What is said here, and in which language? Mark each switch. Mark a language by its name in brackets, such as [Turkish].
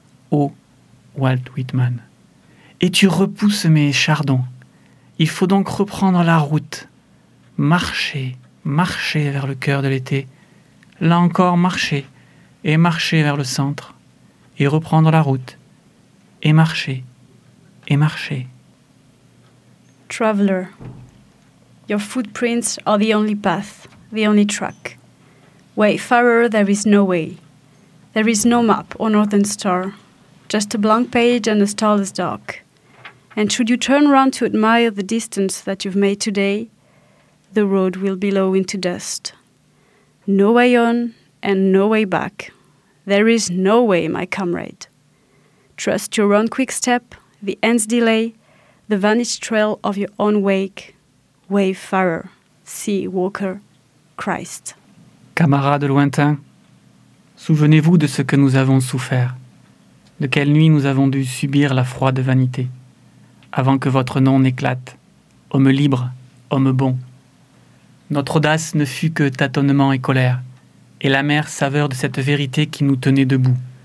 [French] Ô Walt Whitman, et tu repousses mes chardons. Il faut donc reprendre la route, marcher, marcher vers le cœur de l'été, là encore marcher, et marcher vers le centre, et reprendre la route, et marcher, et marcher. [English] Traveler, your footprints are the only path, the only track. Wayfarer, there is no way. There is no map or northern star, just a blank page and a starless dark. And should you turn round to admire the distance that you've made today, the road will billow into dust. No way on and no way back. There is no way, my comrade. Trust your own quick step, the end's delay, the vanished trail of your own wake. Wayfarer, sea walker, Christ. [French] Camarade lointain, souvenez-vous de ce que nous avons souffert, de quelle nuit nous avons dû subir la froide vanité. Avant que votre nom n'éclate, homme libre, homme bon. Notre audace ne fut que tâtonnement et colère, et l'amère saveur de cette vérité qui nous tenait debout.